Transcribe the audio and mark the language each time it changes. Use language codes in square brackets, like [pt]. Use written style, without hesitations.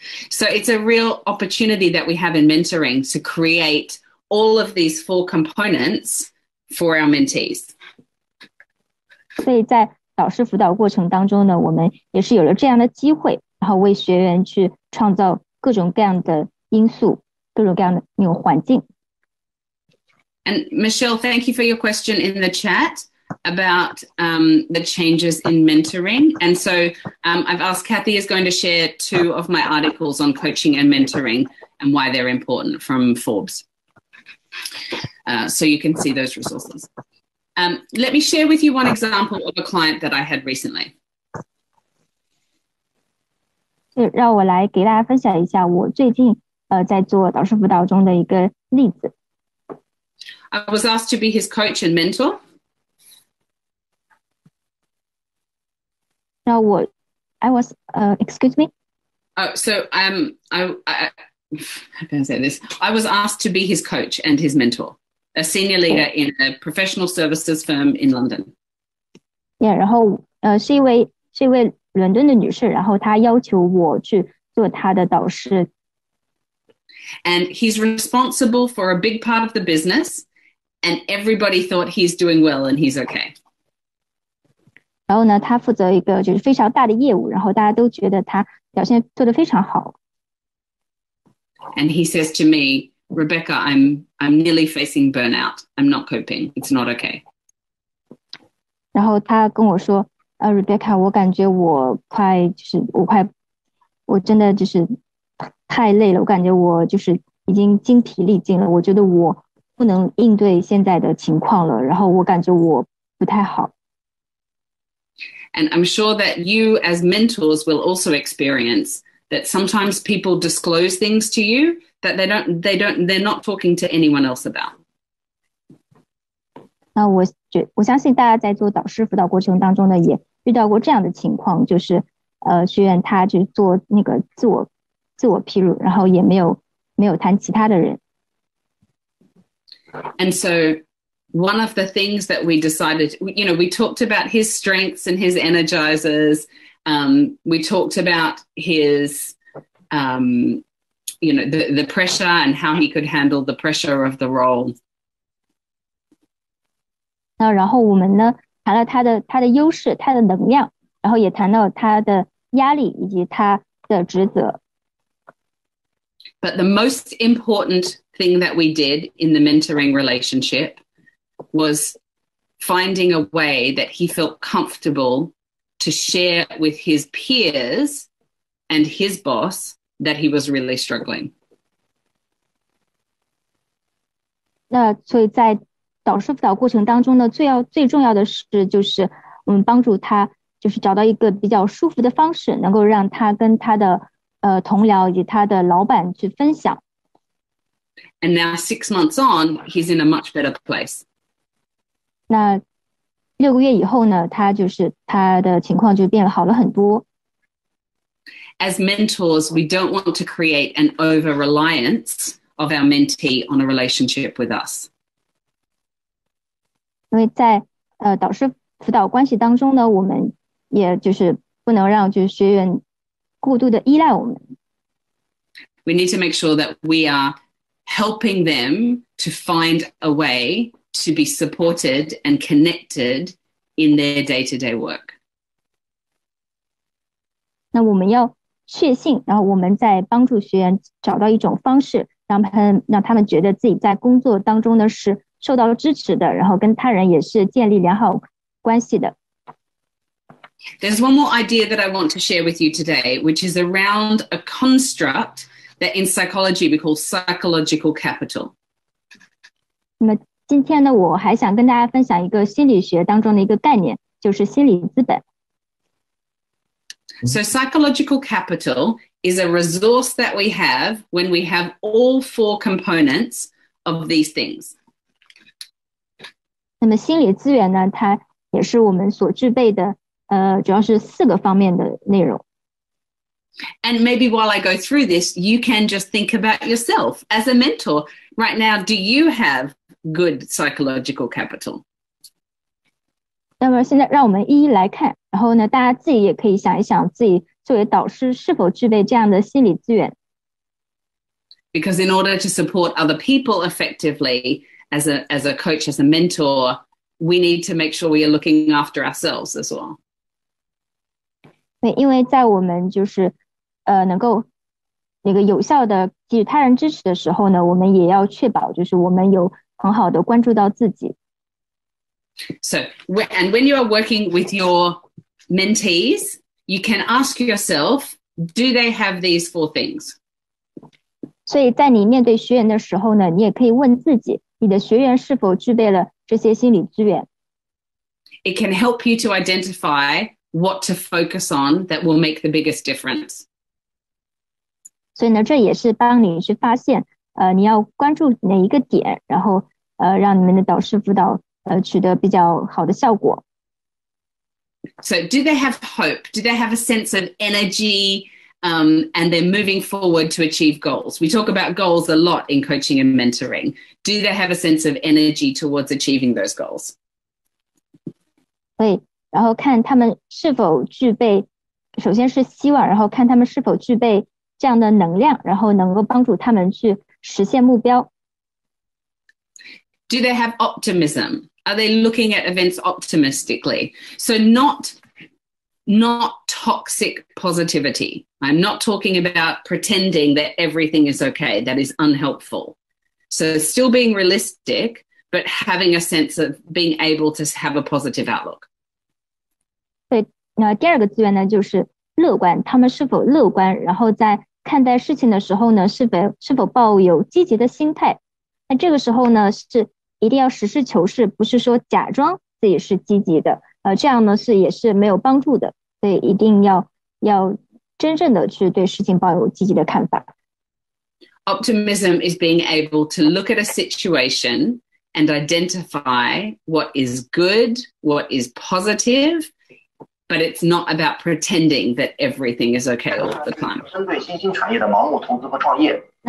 [en] So it's a real opportunity that we have in mentoring to create all of these four components for our mentees. [zh] 所以在导师辅导过程当中呢，我们也是有了这样的机会，然后为学员去创造各种各样的因素，各种各样的那种环境。 [en] And Michelle, thank you for your question in the chat about the changes in mentoring. And so I've asked Kathy is going to share two of my articles on coaching and mentoring and why they're important from Forbes. So you can see those resources. Let me share with you one example of a client that I had recently. [zh] 让我来给大家分享一下我最近在做导师辅导中的一个例子。 [en] I was asked to be his coach and mentor. [zh] 那我 [en] I was, excuse me? I was asked to be his coach and his mentor, a senior leader in a professional services firm in London. [zh] Yeah, 然后是一位伦敦的女士，然后她要求我去做她的导师。 [en] And he's responsible for a big part of the business. And everybody thought he's doing well and he's okay. [zh] 然后呢，他负责一个就是非常大的业务，然后大家都觉得他表现做得非常好。 [en] And he says to me, Rebecca, I'm nearly facing burnout. I'm not coping. It's not okay. [zh] 然后他跟我说，Rebecca, 我感觉我真的就是太累了，我感觉我就是已经精疲力尽了，我觉得我不能应对现在的情况了，然后我感觉我不太好。 [en] And I'm sure that you as mentors will also experience that sometimes people disclose things to you that they're not talking to anyone else about. [zh] 那我相信大家在做导师辅导过程当中呢，也遇到过这样的情况，就是学员他就做那个自我披露，然后也没有谈其他的人。 [en] And so one of the things that we decided, you know, we talked about his strengths and his energizers. We talked about his, you know, the pressure and how he could handle the pressure of the role. [zh] 那然后我们呢，谈了他的优势，他的能量，然后也谈到他的压力以及他的职责。 [en] But the most important thing that we did in the mentoring relationship was finding a way that he felt comfortable to share with his peers and his boss that he was really struggling. [zh] 那所以在导师辅导过程当中呢，最重要的是就是我们帮助他就是找到一个比较舒服的方式，能够让他跟他的同僚以及他的老板去分享。 [en] And now 6 months on, he's in a much better place. [zh] 那六个月以后呢，他就是他的情况就变好了很多。 [en] As mentors, we don't want to create an over-reliance of our mentee on a relationship with us. [zh] 因为在导师辅导关系当中呢，我们也就是不能让就是学员过度的依赖我们。 [en] We need to make sure that we are helping them to find a way to be supported and connected in their day-to-day work. [zh] 那我们要确信，然后我们在帮助学员找到一种方式，让他们觉得自己在工作当中呢是受到支持的，然后跟他人也是建立良好关系的。 [en] There's one more idea that I want to share with you today, which is around a construct that in psychology we call psychological capital. [zh] 那么今天呢，我还想跟大家分享一个心理学当中的一个概念，就是心理资本。 [en] So psychological capital is a resource that we have when we have all four components of these things. [zh] 那么心理资源呢，它也是我们所具备的，主要是四个方面的内容。 [en] And maybe while I go through this, you can just think about yourself as a mentor. Right now, do you have good psychological capital? [zh] 那么现在让我们一一来看，然后呢，大家自己也可以想一想，自己作为导师是否具备这样的心理资源。 [en] Because in order to support other people effectively as a coach, as a mentor, we need to make sure we are looking after ourselves as well. [zh] 对，因为在我们就是能够那个有效的给予他人支持的时候呢，我们也要确保就是我们有很好的关注到自己。 [en] So, and when you are working with your mentees, you can ask yourself, do they have these four things? [zh] 所以在你面对学员的时候呢，你也可以问自己，你的学员是否具备了这些心理资源。 [en] It can help you to identify what to focus on that will make the biggest difference. [zh] 所以呢，这也是帮你去发现，你要关注哪一个点，然后让你们的导师辅导取得比较好的效果。 [en] So do they have hope? Do they have a sense of energy? And they're moving forward to achieve goals. We talk about goals a lot in coaching and mentoring. Do they have a sense of energy towards achieving those goals? [zh] 对，然后看他们是否具备，首先是希望，然后看他们是否具备这样的能量，然后能够帮助他们去实现目标。 [en] Do they have optimism? Are they looking at events optimistically? So not toxic positivity. I'm not talking about pretending that everything is okay. That is unhelpful. So still being realistic, but having a sense of being able to have a positive outlook. [zh] 对，那第二个资源呢，就是乐观。他们是否乐观？然后在看待事情的时候呢，是否抱有积极的心态？那这个时候呢，是一定要实事求是，不是说假装自己是积极的。这样呢是也是没有帮助的。所以一定要真正的去对事情抱有积极的看法。 [en] Optimism is being able to look at a situation and identify what is good, what is positive, but it's not about pretending that everything is okay all the time. [zh] 针对新兴产业的盲目投资和创业。